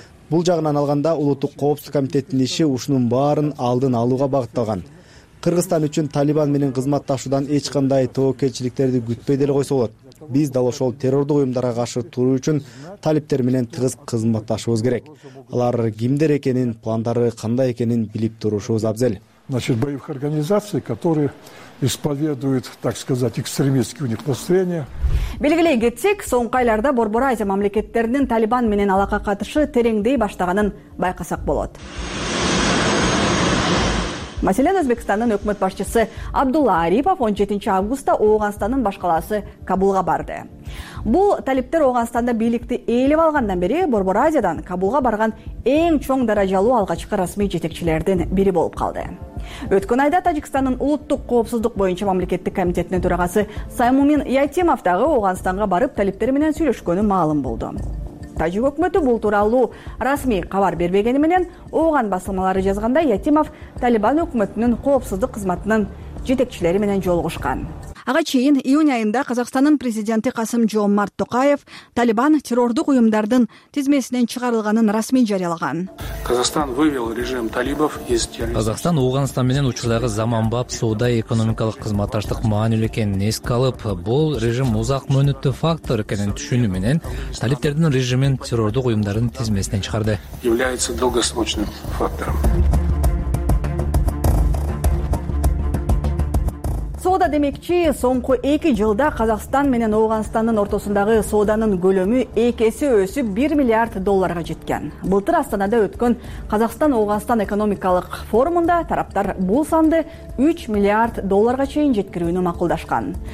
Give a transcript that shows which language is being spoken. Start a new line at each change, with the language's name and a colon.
Kyrgyz: Бул жагынан алганда Улуттук Коопсуздук комитетинин иши ушунун баарын алдын алууга багытталган. Кыргызстан үчүн Талибан менен кызматташуудан эч кандай тобокелчиликтерди күтпөй деле койсо болот. Биз дал ошол террордук уюмдарга каршы туруу үчүн талиптер менен тыгыз кызматташыбыз керек. Алар кимдер экенин, пландары кандай экенин билип турушубуз абзел.
Russian: Значит, боевых организаций, которые исповедуют, так сказать, экстремистские у них настроения.
Kyrgyz: Белгилей кетсек, соңку айларда Борбор Азия мамлекеттеринин Талибан менен алака катышы тереңдей баштаганын байкасак болот. Маселен, Өзбекстандын өкмөт башчысы Абдулла Арипов 17 августта Ооганстандын башкаласы Кабулга барды. Бул талиптер Ооганстанда бийликти ээлеп алгандан бери Борбор Азиядан Кабулга барган эң чоң даражалуу алгачкы расмий жетекчилердин бири болуп калды. Өткөн айда Тажикстандын улуттук коопсуздук боюнча мамлекеттик комитетинин төрагасы Саймумин Ятимов дагы Ооганстанга барып талиптер менен сүйлөшкөнү маалым болду. Тажик өкмөтү бул тууралуу расмий кабар бербегени менен ооган басылмалары жазгандай Ятимов Талибан өкмөтүнүн коопсуздук кызматынын жетекчилери менен жолугушкан. Ага чейин июнь айында Казакстандын президенти Касым Жомарт Токаев Талибан террордук уюмдардын тизмесинен чыгарылганын расмий жарыялаган.
Russian: Казахстан вывел режим талибов из террористов.
Kyrgyz: Казахстан Ооганстан менен учурдагы заманбап соода экономикалык кызматташтык маанилүү экенин эске алып, бул режим узак мөөнөттүү фактор экенин түшүнүү менен талиптердин режимин террордук уюмдардын тизмесинен чыгарды.
Russian: Является долгосрочным фактором.
Kyrgyz: Соода демекчи, соңку 2 жылда Казакстан менен Ооганстандын ортосундагы сооданын көлөмү 2 эсе өсүп 1 миллиард долларга жеткен. Былтыр Астанада өткөн Казакстан-Ооганстан экономикалык форумунда тараптар бул санды 3 миллиард долларга чейин жеткирүүнү макулдашкан.